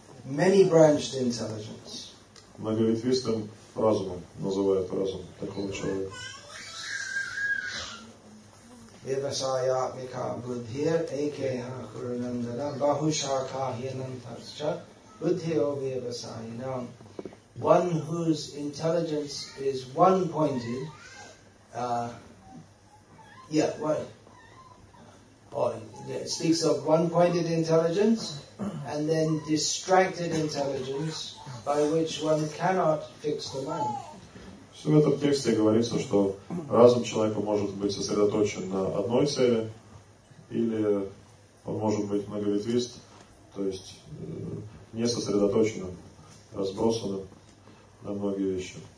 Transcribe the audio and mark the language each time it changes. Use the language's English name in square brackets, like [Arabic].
[English] Many branched intelligence. [Russian] Многоветвистым разумом называют разум такого человека. [Sanskrit] Vyavasaya atmika buddhir ekeha kurunandana bahushaka hyanantascha buddhiyo vyavasayinam. [English] One whose intelligence is one-pointed, it speaks of one-pointed intelligence and then distracted intelligence by which one cannot fix the mind. [Russian] В этом тексте говорится, что разум человека может быть сосредоточен на одной цели, или он может быть многоветвист, то есть не сосредоточенным, разбросанным на многие вещи.